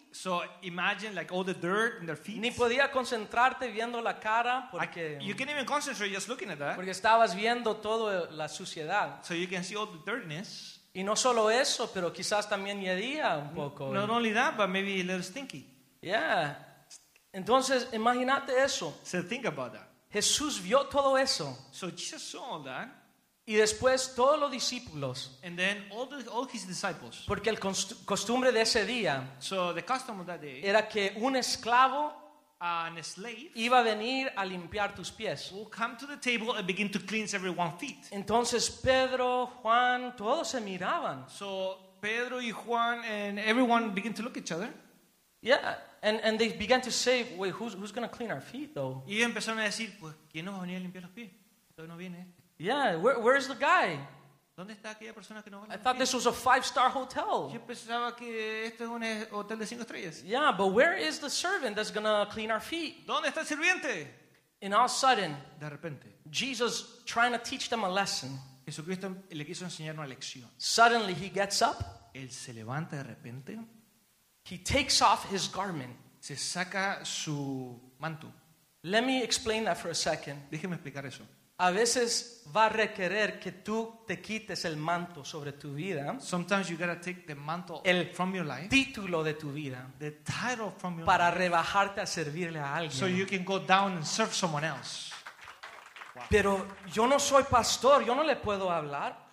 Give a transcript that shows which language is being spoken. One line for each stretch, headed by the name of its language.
English: So imagine like all the dirt in their feet.
Spanish: Ni podía concentrarte viendo la cara porque
English: you can't even concentrate just looking at that.
Spanish: Porque estabas viendo toda la suciedad.
English: So you can see all the dirtiness.
Spanish: Y no solo eso, pero quizás también hería un poco.
English: Not only that, but maybe a little stinky.
Spanish: Yeah. Entonces, imagínate eso.
English: So think about that.
Spanish: Jesús vio todo eso.
English: So Jesus saw all that.
Spanish: Y después todos los discípulos.
English: And then all his disciples.
Spanish: Porque el costumbre de ese día.
English: So the custom of that day.
Spanish: Era que un esclavo.
English: An slave
Spanish: iba a venir a limpiar tus pies.
English: Will come to the table and begin to cleanse everyone's feet.
Spanish: Entonces Pedro, Juan, todos se miraban.
English: So Pedro y Juan and everyone begin to look at each other. Yeah, and they began to say, wait, who's going to clean our feet though?
Spanish: Y empezaron a decir, pues, ¿quién nos va a venir a limpiar los pies? Todo no viene.
English: Yeah, where's the guy?
Spanish: ¿Dónde está aquella persona que no va a limpiar?
English: I thought this was a 5-star hotel.
Spanish: Yo pensaba que esto es un hotel de 5 estrellas.
English: Yeah, but where is the servant that's going to clean our feet?
Spanish: ¿Dónde está el sirviente?
English: And all of a sudden,
Spanish: de repente,
English: Jesus trying to teach them a lesson.
Spanish: Jesucristo le quiso enseñar una lección.
English: Suddenly he gets up.
Spanish: Él se levanta de repente.
English: He takes off his garment.
Spanish: Se saca su manto.
English: Let me explain that for a second.
Spanish: Déjeme explicar eso. A veces va a requerir que tú te quites el manto sobre tu vida.
English: Sometimes you gotta take the mantle
Spanish: el
English: from your life.
Spanish: Título de tu vida.
English: The title from your
Spanish: para
English: life.
Spanish: Para rebajarte a servirle a alguien.
English: So you can go down and serve someone else. Wow.
Spanish: Pero yo no soy pastor, yo no le puedo hablar.